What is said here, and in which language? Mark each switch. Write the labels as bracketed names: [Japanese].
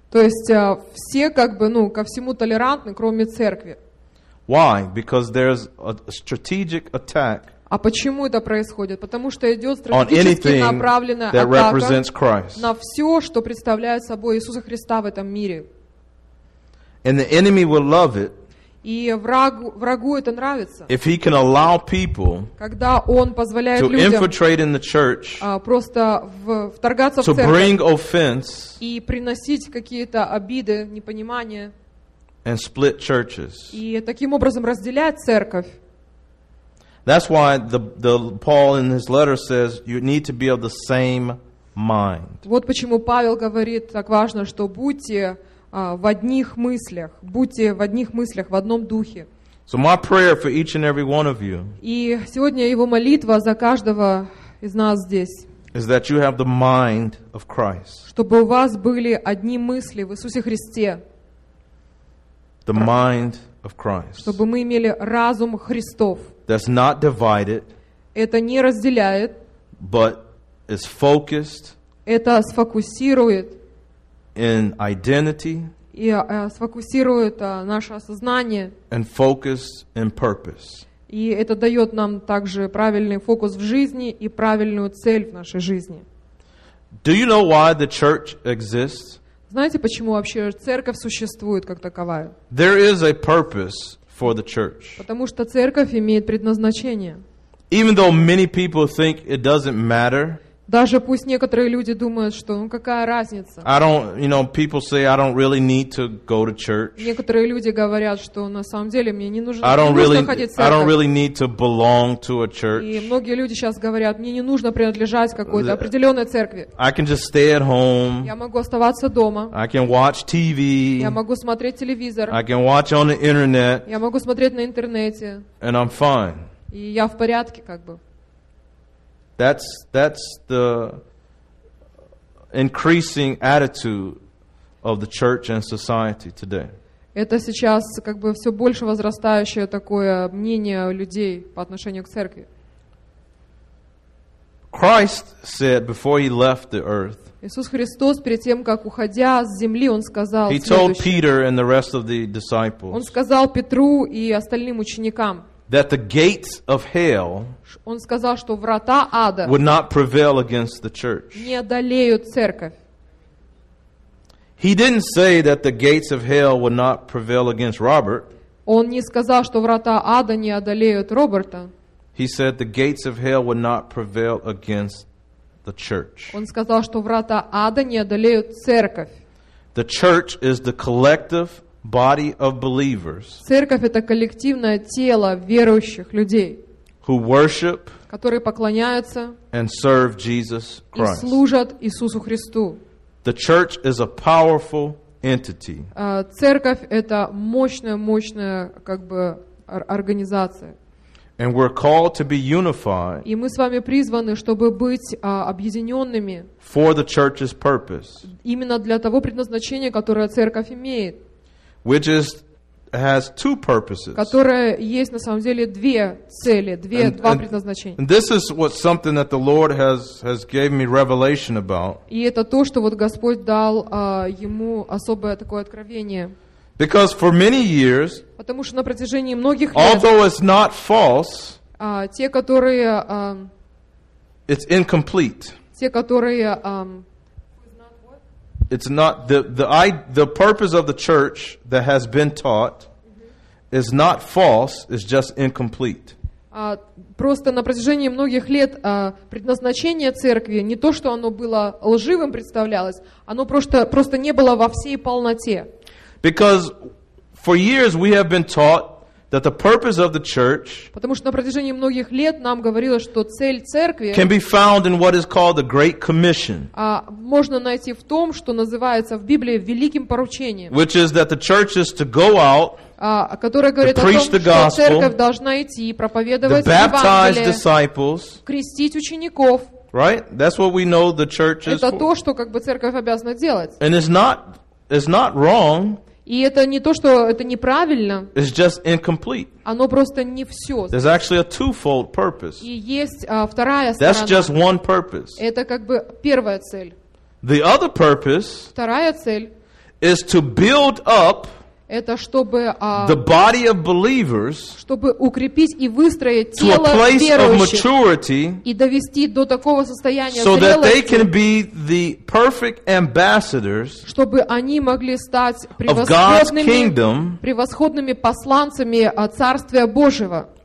[Russian] То есть все как бы ну ко всему толерантны, кроме церкви. [English] Why? Because there's a strategic attack. [Russian] А почему это происходит? Потому что идет стратегически направленная атака на все, что представляет собой Иисуса Христа в этом мире. [English] And the enemy will love it, [Russian] и врагу это нравится. [English] If he can allow people, [Russian] когда он позволяет [English] to [Russian] людям [English] infiltrate in the church, [Russian] просто вторгаться [English] to [Russian] в церковь [English] bring offense, [Russian] и приносить какие-то обиды, непонимания [English] and split churches. [Russian] И таким образом разделять церковь. [English] That's why the Paul in his letter says you need to be of the same mind. [Russian] Вот почему Павел говорит так важно, что будьте в одних мыслях, будьте в одних мыслях, в одном духе. [English] So my prayer for each and every one of you. [Russian] И сегодня его молитва за каждого из нас здесь. [English] Is that you have the mind of Christ. [Russian] Чтобы у вас были одни мысли в Иисусе Христе. [English] The mind of Christ. [Russian] Чтобы мы имели разум Христов. [English] That's not divided. [Russian] Это не разделяет. [English] But is focused. [Russian] Это сфокусирует. [English] In identity. [Russian] И сфокусирует наше осознание. [English] And focused in purpose. [Russian] И это дает нам также правильный фокус в жизни и правильную цель в нашей жизни. [English] Do you know why the church exists? [Russian] Знаете, почему вообще церковь существует как таковая? [English] There is a purpose. For the church. [Russian] Потому что церковь имеет предназначение. [English] Even though many people think it doesn't matter. [Russian] Даже пусть некоторые люди думают, что ну какая разница. [English] I don't, you know, people say I don't really need to go to church. [Russian] Некоторые люди говорят, что на самом деле мне не нужно ходить в церковь. [English] I don't really need to belong to a church. [Russian] И многие люди сейчас говорят, мне не нужно принадлежать какой-то определенной церкви. [English] I can just stay at home. [Russian] Я могу оставаться дома. [English] I can watch TV. [Russian] Я могу смотреть телевизор. [English] I can watch on the internet. [Russian] Я могу смотреть на интернете. [English] And I'm fine. [Russian] И я в порядке, как бы. [English] That's the increasing attitude of the church and society today. [Russian] Это сейчас как бы все больше возрастающее такое мнение людей по отношению к церкви. [English] Christ said before he left the earth. [Russian] Иисус Христос перед тем, как уходя с земли, он сказал. [English] He told Peter and the rest of the disciples. [Russian] Он сказал Петру и остальным ученикам. [English] That the gates of hell. [Russian] Он сказал, что врата ада. [English] Would not prevail against the church. [Russian] Не одолеют церковь. [English] He didn't say that the gates of hell would not prevail against Robert. [Russian] Он не сказал, что врата ада не одолеют Роберта. [English] He said the gates of hell would not prevail against the church. [Russian] Он сказал, что врата ада не одолеют церковь. [English] The church is the collective body of believers. [Russian] Церковь это коллективное тело верующих людей. [English] Who worship, [Russian] которые поклоняются, [English] and serve Jesus Christ. [Russian] И служат Иисусу Христу. [English] The church is a powerful entity. [Russian] Церковь это мощная как бы организация. [English] And we're called to be unified. [Russian] И мы с вами призваны, чтобы быть объединенными. [English] For the church's purpose. [Russian] Именно для того предназначения, которое церковь имеет. [English] Which is has two purposes. [Russian] Которое есть на самом деле две цели, два предназначения. [English] And this is what something that the Lord has gave me revelation about. [Russian] И это то, что вот Господь дал ему особое такое откровение. [English] Because for many years, [Russian] потому что на протяжении многих лет, [English] although it's not false, [Russian] те, которые, [English] it's incomplete. [Russian] Те, которые, [English] it's not the purpose of the church that has been taught mm-hmm. is not false, it's just incomplete. [Russian] Просто на протяжении многих лет предназначение церкви не то, что оно было лживым представлялось, оно просто не было во всей полноте. [English] Because for years we have been taught that the purpose of the church, [Russian] потому что на протяжении многих лет нам говорилось, что цель церкви, [English] can be found in what is called the Great Commission, [Russian] можно найти в том, что называется в Библии великим поручением, [English] which is that the church is to go out, [Russian] которая говорит о том, что церковь должна идти и проповедовать Евангелие, [English] baptize disciples, [Russian] крестить учеников, [English] right? That's what we know the church is. [Russian] Это то, что как бы церковь обязана делать. [English] And it's not wrong. [Russian] И это не то, что это неправильно. [English] It's just incomplete. [Russian] Оно просто не все. [English] There's actually a twofold purpose. [Russian] И есть вторая сторона. [English] That's just one purpose. [Russian] Это как бы первая цель. [English] The other purpose. [Russian] Вторая цель. [English] Is to build up. [Russian] Это чтобы [English] the body of believers. [Russian] Чтобы укрепить и выстроить тело верующих. [English] To a place of maturity. [Russian] И довести до такого состояния зрелости. [English] So that they can be the perfect ambassadors. [Russian] Чтобы они могли стать превосходными посланцами Царствия Божьего.